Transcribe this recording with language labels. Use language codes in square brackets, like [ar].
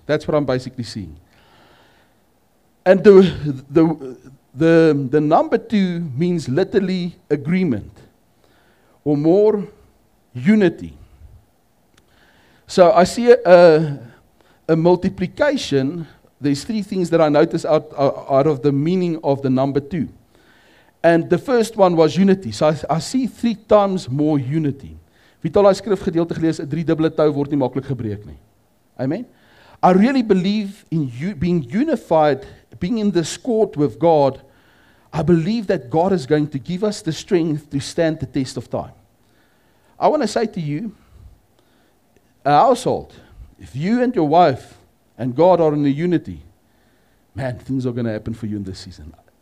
[en] That's what I'm basically seeing. And the number 2 means literally agreement or more unity. So I see a multiplication. There's 3 things that I notice out of the meaning of the number 2. And the first one was unity. So I see 3 times more unity. [af] Wie het al die skrifgedeelte gelees, 'n 3-dubbele tou word nie maklik gebreek nie. Amen. [en] I really believe in you being unified, being in this court with God. I believe that God is going to give us the strength to stand the test of time. I want to say to you, a household, if you and your wife and God are in a unity, man, things are going to happen for you in this season.